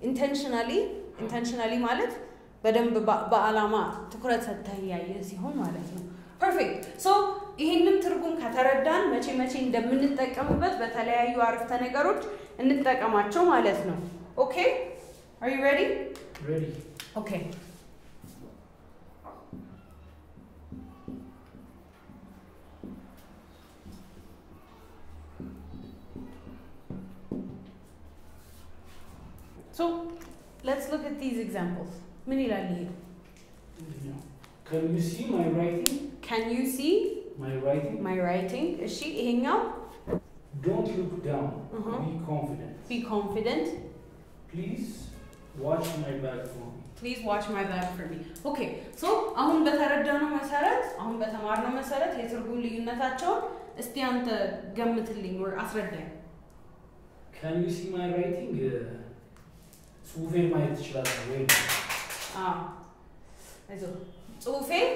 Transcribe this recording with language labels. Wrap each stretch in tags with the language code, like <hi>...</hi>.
<am>ኢንቴንሽናሊ ማለት በደንብ በአላማ ትኩረት ሰጥተህ እያየህ ሲሆን ማለት ነው. ፐርፌክት. ሶ ይህንም ትርጉም ከተረዳን መቼ እንደምንጠቀምበት በተለያዩ አረፍተ ነገሮች እንጠቀማቸው ማለት ነው.</am> <en>ኦኬ አር ዩ ሬዲ? ሬዲ. ኦኬ So let's look at these examples. Mini lali. Can you see my writing? Can you see my writing? My writing. Is she ihingao? Don't look down. Uh-huh. Be confident. Be confident. Please watch my back for me. Please watch my back for me. Okay.</en> <am>So አሁን በተረዳነው መሰረት አሁን በተማርነው መሰረት የትርጉም ልዩነታቸው እስቲ አንተ ገምትልኝ ወይ አስረዳኝ.</am> <en>Can you see my writing?</en> <am>ጽሁፌ ማየት ይችላል ወይ? አዎ ጽሁፌ</am>